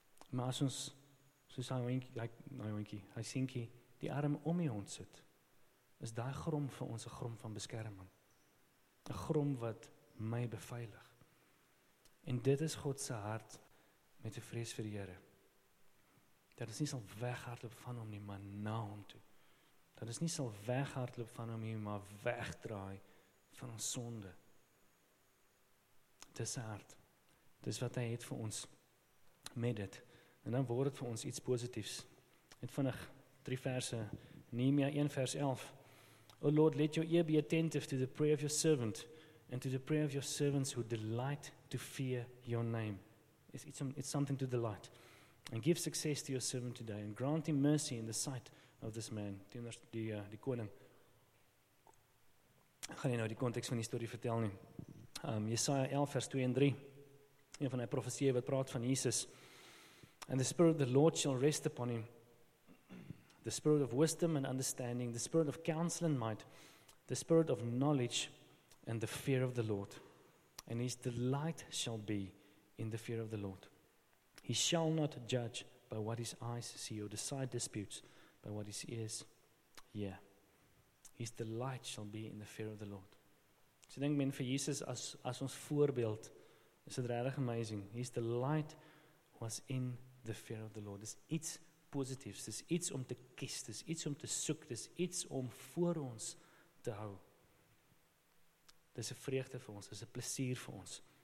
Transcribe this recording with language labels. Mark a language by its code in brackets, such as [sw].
[af] Maar as ons, soos hy sienkie, die arm om die hond sit, is daar grom vir ons, 'n grom van beskerming. 'N grom wat my beveilig. En dit is God se hart met die vrees vir die Here. Dat ons nie sal weghardloop van hom nie, maar na hom toe. Dat ons nie sal weghardloop van hom nie, maar wegdraai van ons sonde. Dis sy hart. Dis wat hy het vir ons met dit. En dan word het vir ons iets positiefs. Het vinnig drie verse, Nehemia 1 vers 11. [en] O Lord, let your ear be attentive to the prayer of your servant and to the prayer of your servants who delight to fear your name. It's something to delight. And give success to your servant today and grant him mercy in the sight of this man. [af] Die koning. Ek gaan nie nou die context van die story vertel nie. Jesaja 11 vers 2 en 3. Een van die profetieë wat praat van Jesus. [en] And the spirit of the Lord shall rest upon him. The spirit of wisdom and understanding, the spirit of counsel and might, the spirit of knowledge and the fear of the Lord. And his delight shall be in the fear of the Lord. He shall not judge by what his eyes see or decide disputes by what his ears hear. His delight shall be in the fear of the Lord. [af] So denk men vir Jesus as ons voorbeeld, is dit regtig amazing. [en] His delight was in the fear of the Lord. [af] Dis iets positiefs, dis iets om te kies, dis iets om te soek, dis iets om voor ons te hou. Dis 'n vreugde vir ons, dis 'n plesier vir ons.